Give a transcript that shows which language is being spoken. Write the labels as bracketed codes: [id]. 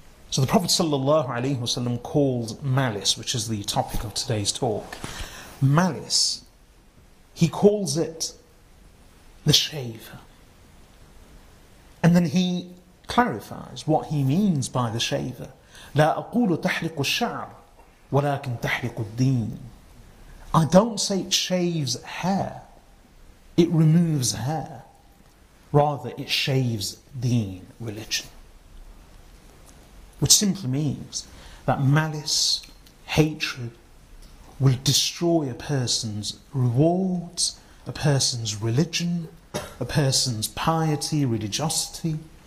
[en] So the Prophet sallallahu alaihi wasallam called malice, which is the topic of today's talk, malice, he calls it the shaver. And then he clarifies what he means by the shaver. [ar] لا أقول تحرق الشعر ولكن تحرق الدين. [en] I don't say it shaves hair, it removes hair. Rather, it shaves deen, religion. Which simply means that malice, hatred, will destroy a person's rewards, a person's religion, a person's piety, religiosity.